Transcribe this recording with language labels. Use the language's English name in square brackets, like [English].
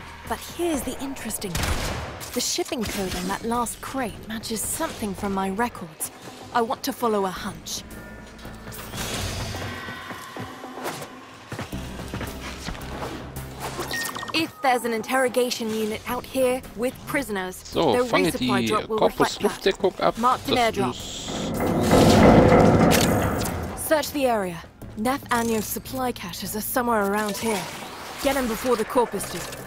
[English] But here's the interesting part. The shipping code on that last crate matches something from my records. I want to follow a hunch. Okay. If there's an interrogation unit out here with prisoners, [German] so, fange die Korpus Luftdeckung ab. [English] Search the area. Neff Anion's supply caches are somewhere around here. Get him before the Corpus do.